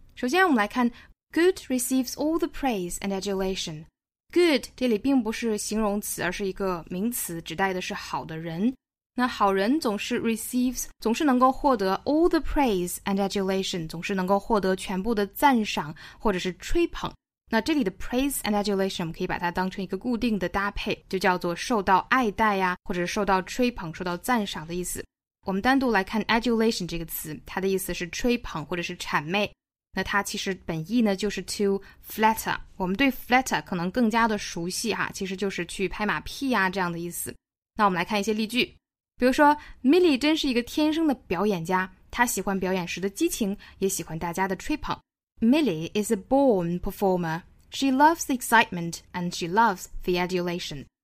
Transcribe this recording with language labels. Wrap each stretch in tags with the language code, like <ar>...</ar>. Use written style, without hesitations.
<zh>首先我们来看</zh> <en>Good receives all the praise and adulation.</en> <zh>Good 这里并不是形容词，而是一个名词，指代的是好的人。那好人总是能够获得</zh> <en>all the praise and adulation，</en> <zh>总是能够获得全部的赞赏或者是吹捧。那这里的 praise and adulation 可以把它当成一个固定的搭配，就叫做受到爱戴呀，或者是受到吹捧，受到赞赏的意思。我们单独来看 adulation 这个词，它的意思是吹捧或者是谄媚。那它其实本意呢就是</zh> <en>to flatter，</en> <zh>我们对 flatter 可能更加的熟悉哈，其实就是去拍马屁呀这样的意思。那我们来看一些例句，比如说 Millie 真是一个天生的表演家，她喜欢表演时的激情，也喜欢大家的吹捧。</zh> <en>Millie is a born performer. She loves the excitement and she loves the adulation.</en>